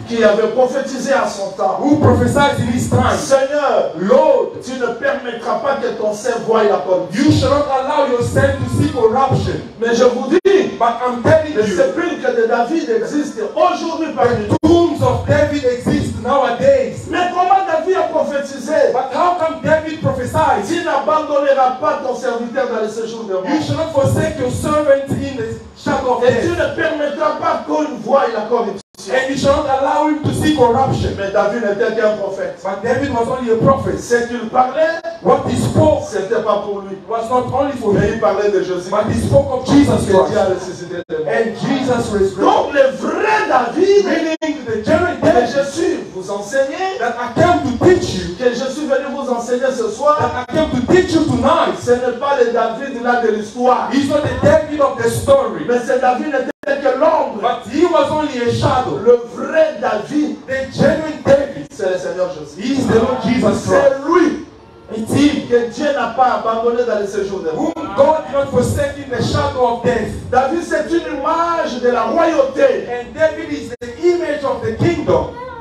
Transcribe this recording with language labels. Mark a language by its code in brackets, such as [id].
[fr] qui avait prophétisé à son temps, [en] who prophesied in his time, [fr] Seigneur, [en] Lord, [fr] tu ne permettras pas que ton serviteur voie la corruption. [en] You shall not allow yourself to see corruption. [fr] Mais je vous dis, [en] but I'm telling [fr] you, les sépulcres de David existent aujourd'hui parmi nous. [en] The tombs of David exist nowadays. [fr] Mais comment David a prophétisé? [en] But how come David prophesied? [fr] Tu n'abandonneras pas ton serviteur dans les séjours de mort. [en] You shall not forsake your servant in the shadow of death. [fr] Et tu ne permettras pas qu'on voie la corruption. [en] And you shall not allow him to see corruption. [fr] Mais David n'était qu'un prophète. [en] But David was only a prophet. [fr] Ce qu'il parlait, [en] what he spoke, [fr] c'était pas pour lui. [en] Was not only for him. [fr] Mais il parlait de Jésus. [en] But he spoke of Jesus Christ. [fr] Qui a ressuscité de mort. [en] And Jesus resurrected. [fr] Donc le vrai David, [en] meaning the genuine David, [fr] que je suis vous enseigner, [en] that I came to teach you, [fr] que je suis venu vous enseigner ce soir, [en] that I came to teach you tonight, [fr] ce n'est pas le David là de l'histoire. [en] He's not the David of the story. [fr] Mais c'est David n'était que l'ombre. [en] But he was only a shadow. [fr] Le vrai David, [en] the genuine David, [fr] c'est le Seigneur Jésus. [en] He is the Lord Jesus [fr] Christ. C'est lui. [en] It's him. [fr] Que Dieu n'a pas abandonné dans les séjours de mort. [en] God did not forsake in the shadow of death. [fr] David, c'est une image de la royauté. [en] And David is the image of the kingdom.